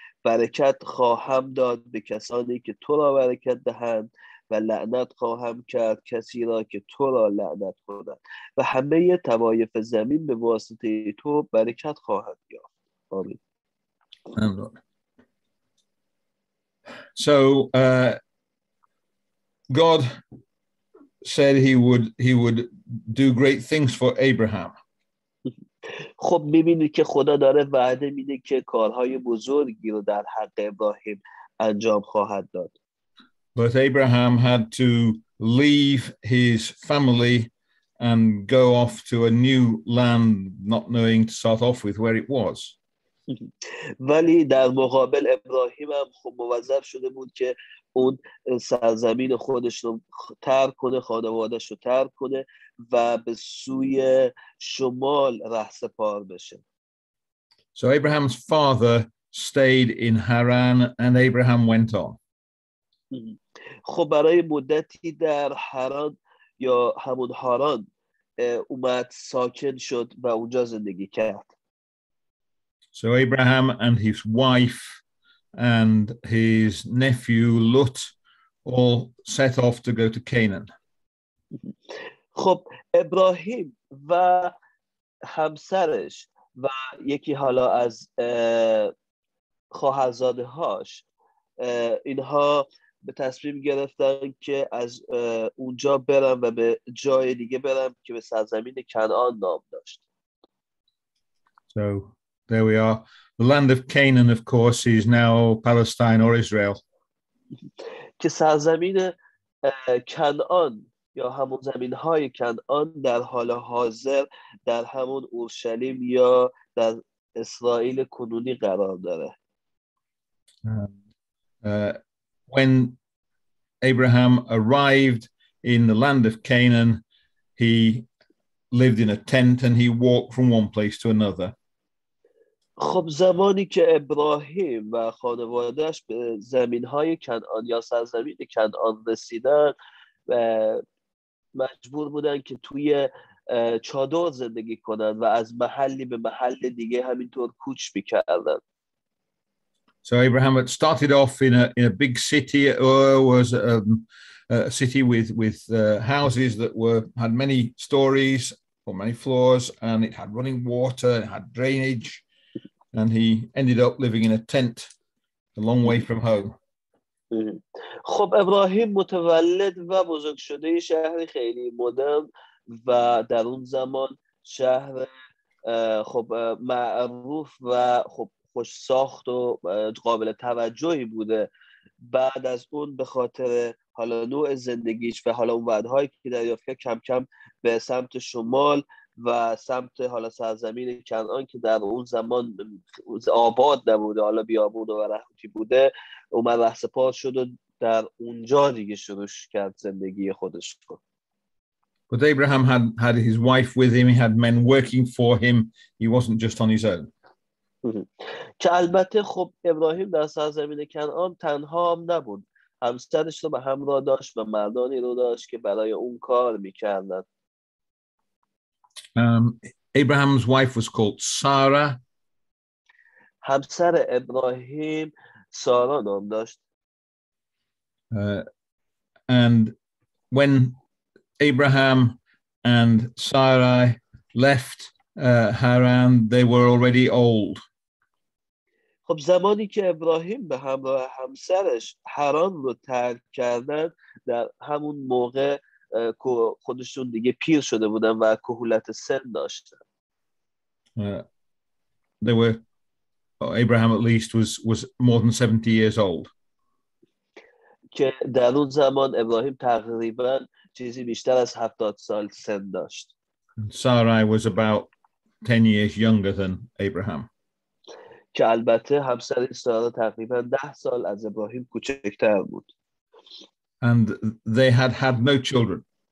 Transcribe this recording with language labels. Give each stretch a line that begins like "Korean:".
Persian: برکت خواهم داد به کسانی که تو را برکت دهند و لعنت خواهم کرد کسی را که تو را لعنت کند و همه طوایف زمین به واسطه تو برکت خواهد یافت. آمین.
English: So God said he would do great things for Abraham.
Persian: خب می‌بینید که خدا داره وعده میده که کارهای بزرگی رو در حق ابراهیم انجام خواهد داد.
English: But Abraham had to leave his family and go off to a new land, not knowing to start off with where it was.
Persian: ولی در مقابل ابراهیم هم خب موظف شده بود که اون سرزمین خودش رو ترک کنه، خانوادش رو ترک کنه و به سوی شمال رهسپار بشه.
English: So Abraham's father stayed in Haran and Abraham went on.
Persian: خب برای مدتی در حران یا همون حاران اومد ساکن شد و اونجا زندگی کرد.
English: So Abraham and his wife and his nephew Lot all set off to go to Canaan.
Persian: خب ابراهیم و همسرش و یکی حالا از خواهرزاده‌هاش اینها به تصمیم گرفتن که از اونجا برن و به جای دیگه برن که به سرزمین کنعان نام داشت.
English: So there we are. The land of Canaan, of course, is now Palestine or Israel.
Persian: که سرزمین کنعان یا همون زمین‌های کنعان در حال حاضر در همون اورشلیم یا در اسرائیل کنونی قرار داره.
English: When Abraham arrived in the land of Canaan, he lived in a tent and he walked from one place to another.
Persian: خب زمانی که ابراهیم و خانواده‌اش به زمین‌های کنعان یا سرزمین کنعان رسیدن و مجبور بودن که توی چادر زندگی کنند و از محلی به محل دیگه همینطور کوچ می‌کردن.
English: So Abraham had started off in a big city, was a city with houses that were had many stories or many floors, and it had running water, it had drainage, and he ended up living in a tent a long way from home.
Persian: خب ابراهیم متولد و بزرگ شده شهر خیلی مدرن و در اون زمان شهر خب معروف و خب خوش ساخت و قابل توجهی بوده. بعد از اون به خاطر حالا نوع زندگیش و حالا اون وعده‌هایی که دریافت کرد کم کم به سمت شمال و سمت حالا سرزمین کنعان که در اون زمان آباد نبوده، حالا بیابون و رهوتی بوده، اومد رهسپار شد و در اونجا دیگه شروع کرد زندگی خودش رو.
English: But Abraham had his wife with him. He had men working for him. He wasn't just on his own.
Persian: که البته خب ابراهیم در سرزمین کنعان تنها هم نبود، همسرش رو به همراه داشت و مردانی رو داشت که برای اون کار میکردن.
English: Abraham's wife was called Sarah.
Persian: همسر ابراهیم سارا نام داشت.
English: And when Abraham and Sarai left Haran, they were already old.
Persian: خب زمانی که ابراهیم به همراه همسرش حران رو ترک کردن، در همون موقع خودشون دیگه پیر شده بودن و کهولت سن داشتن.
English: Abraham at least was more than 70 years old.
Persian: که در اون زمان ابراهیم تقریبا چیزی بیشتر از 70 سال سن داشت.
English: Sarai was about 10 years younger than Abraham.
Persian: که البته همسر سارا تقریبا 10 سال از ابراهیم کوچکتر بود.
English: And they had no children.